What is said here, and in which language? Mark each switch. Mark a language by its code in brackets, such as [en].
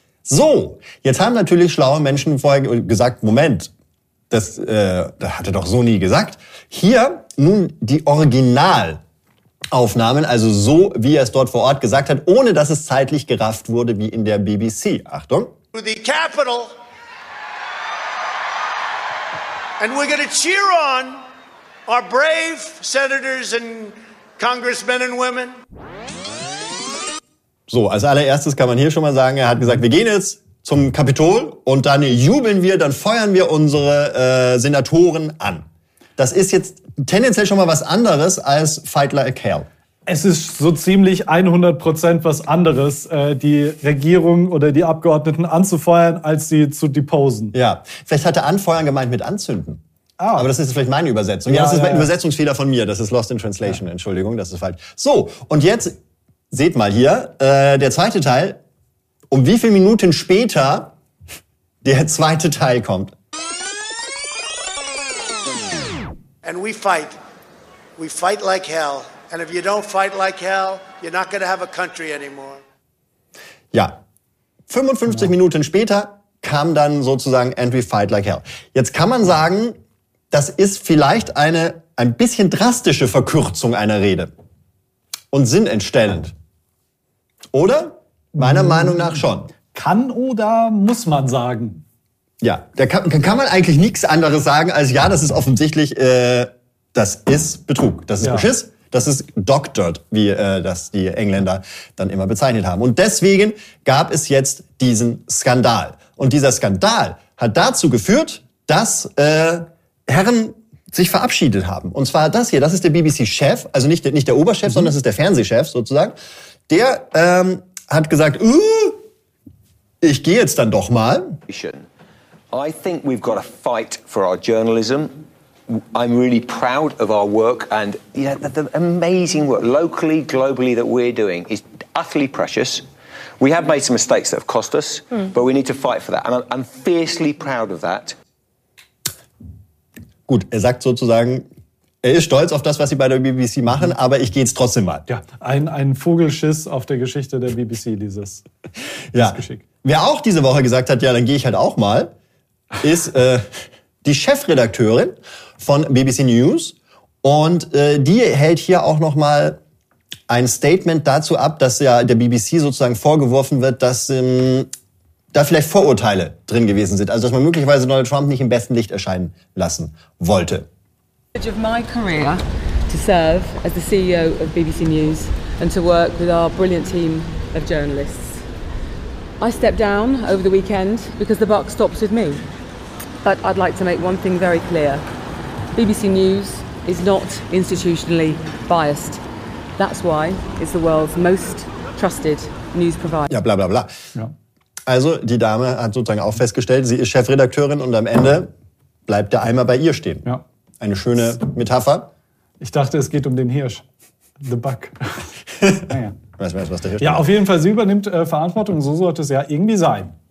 [de] So, jetzt haben natürlich schlaue Menschen vorher gesagt, Moment... Das hat er doch so nie gesagt. Hier nun die Originalaufnahmen, also so, wie er es dort vor Ort gesagt hat, ohne dass es zeitlich gerafft wurde wie in der BBC. Achtung. [en] To the Capitol. And we're going to cheer on our brave senators and congressmen and women. [de] So, als allererstes kann man hier schon mal sagen, er hat gesagt, wir gehen jetzt zum Kapitol und dann jubeln wir, dann feuern wir unsere Senatoren an. Das ist jetzt tendenziell schon mal was anderes als [en] Fight Like Hell. [de] Es ist so ziemlich 100% was anderes, die Regierung oder die Abgeordneten anzufeuern, als sie zu deposen. Ja, vielleicht hat er anfeuern gemeint mit anzünden. Ah. Aber das ist vielleicht meine Übersetzung. Ja, ja, das ist ein Übersetzungsfehler von mir. Das ist [en] Lost in Translation. [de] Ja. Entschuldigung, das ist falsch. So, und jetzt seht mal hier, der zweite Teil. Um wie viele Minuten später der zweite Teil kommt. [en] And we fight. We fight like hell. And if you don't fight like hell, you're not gonna have a country anymore. [de] Ja. 55 Minuten später kam dann sozusagen [en] And we fight like hell. [de] Jetzt kann man sagen, das ist vielleicht eine ein bisschen drastische Verkürzung einer Rede. Und sinnentstellend. Oder? Meiner Meinung nach schon. Kann oder muss man sagen? Ja, da kann man eigentlich nichts anderes sagen, als ja, das ist offensichtlich, das ist Betrug. Das ist Beschiss, das ist doctored, wie das die Engländer dann immer bezeichnet haben. Und deswegen gab es jetzt diesen Skandal. Und dieser Skandal hat dazu geführt, dass Herren sich verabschiedet haben. Und zwar das hier, das ist der BBC-Chef, also nicht der Oberchef, sondern das ist der Fernsehchef sozusagen. Der hat gesagt, ich gehe jetzt dann doch mal. [en] I think we've got a fight for our journalism. I'm really proud of our work and you know, the amazing work locally, globally that we're doing is utterly precious. We have made some mistakes that have cost us, but we need to fight for that. And I'm fiercely proud of that. [de] Gut, er sagt sozusagen, er ist stolz auf das, was sie bei der BBC machen, aber ich gehe jetzt trotzdem mal. Ja, ein Vogelschiss auf der Geschichte der BBC, dieses ja. Geschick. Wer auch diese Woche gesagt hat, ja, dann gehe ich halt auch mal, ist die Chefredakteurin von BBC News. Und die hält hier auch noch mal ein Statement dazu ab, dass ja der BBC sozusagen vorgeworfen wird, dass da vielleicht Vorurteile drin gewesen sind. Also, dass man möglicherweise Donald Trump nicht im besten Licht erscheinen lassen wollte. [en] Of my career to serve as the CEO of BBC News and to work with our brilliant team of journalists. I stepped down over the weekend because the buck stops with me. But I'd like to make one thing very clear. BBC News is not institutionally biased. That's why it's the world's most trusted news provider. [de] Ja, bla bla bla. Also, die Dame hat sozusagen auch festgestellt, sie ist Chefredakteurin und am Ende bleibt der Eimer bei ihr stehen. Ja. Eine schöne Metapher. Ich dachte, es geht um den Hirsch. [en] The Buck. [de] Naja. Weiß, was der Hirsch ja, auf jeden Fall, sie übernimmt Verantwortung. So sollte es ja irgendwie sein.